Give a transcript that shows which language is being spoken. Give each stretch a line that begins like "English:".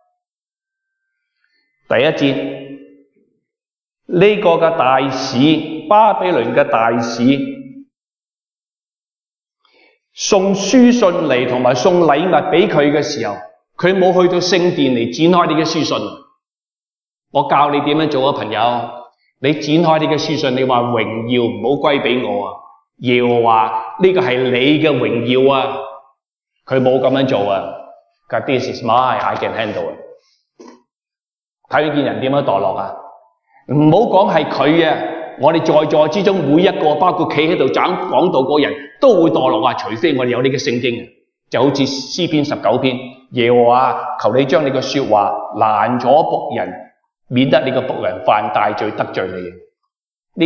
Chinese: 39章第1节，这个的大使，巴比伦的大使，送书信来和送礼物给他的时候，他没有去到圣殿来展开你的书信。我教你怎样做啊，朋友，你展开你的书信，你说荣耀不要归给我啊，耶和华这个是你的荣耀啊，他没有这样做啊。
English: But this is my, I can handle it.
Chinese: 看见人怎样堕落啊，不要说是他啊，我们在座之中每一个包括站在这里讲讲道的人都会堕落啊，除非我们有这个圣经。就好像诗篇19篇，耶和华求你将你的说话拦阻仆人，免得你的仆人犯大罪得罪你。